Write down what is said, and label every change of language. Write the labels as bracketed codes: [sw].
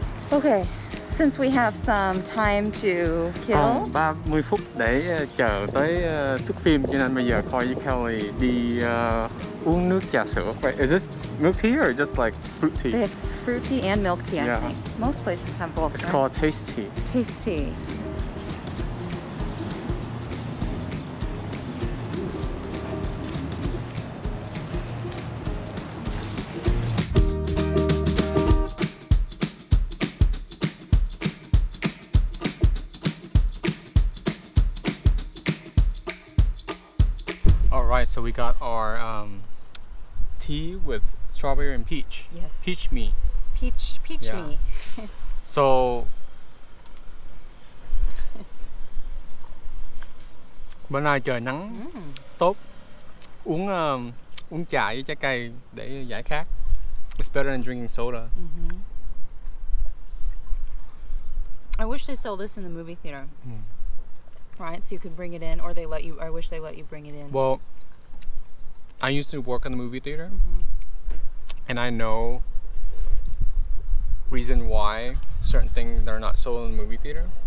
[en] Okay, since we have some time to kill. [vi] Còn 30 phút để chờ tới xuất phim, cho nên bây giờ coi với Kelly đi uống nước trà sữa. [en] Wait, is this milk tea or just like fruit tea? They have fruit tea and milk tea, I think. Most places have both. It's called taste tea. Taste tea. All right, so we got our tea with strawberry and peach. Yes. Peach me. Peach yeah. me. [vi] So bữa nay trời nắng tốt, uống trà với trái cây để giải khát. [en] It's better than drinking soda. I wish they sold this in the movie theater. Right, so you can bring it in, or they let you. I wish they let you bring it in. Well, I used to work in the movie theater, and I know reason why certain things are not sold in the movie theater.